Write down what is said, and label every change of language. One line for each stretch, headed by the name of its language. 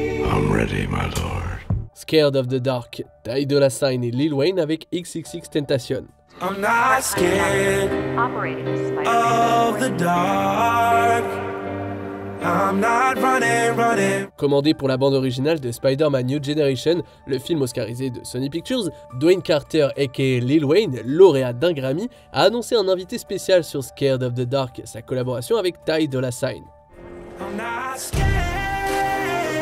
English: I'm ready, my lord. Scared of the Dark, Ty Dolla $ign et Lil Wayne avec XXXTentacion. I'm not scared of the dark. I'm not running, running.
French: Commandé pour la bande originale de Spider-Man New Generation, le film oscarisé de Sony Pictures, Dwayne Carter aka Lil Wayne, lauréat d'un Grammy, a annoncé un invité spécial sur Scared of the Dark, sa collaboration avec Ty Dolla $ign.
English: I'm not scared.